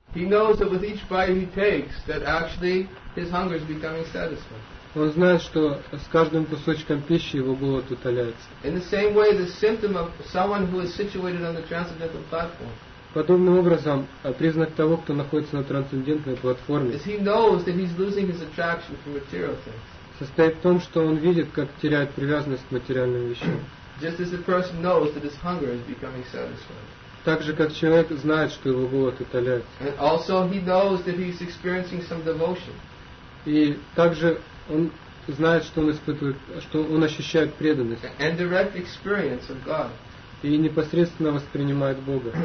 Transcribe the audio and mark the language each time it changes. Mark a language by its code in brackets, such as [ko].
[en] He knows that with each bite he takes, that actually his hunger is becoming satisfied. [ru] Он знает, что с каждым кусочком пищи его голод утоляется. [en] In the same way, the symptom of someone who is situated on the transcendental platform. [ru] Подобным образом, признак того, кто находится на трансцендентной платформе, [en] is he knows that he's losing his attraction for material things. [ru] Состоит в том, что он видит, как теряет привязанность к материальным вещам. [en] Just as a person knows that his hunger is becoming satisfied. [ru] Так же, как человек знает, что его голод утоляется. [en] And also he knows that he's experiencing some devotion. [ru] И также он знает, что он испытывает, что он ощущает преданность. [en] And direct experience of God. [ru] И непосредственно воспринимает Бога.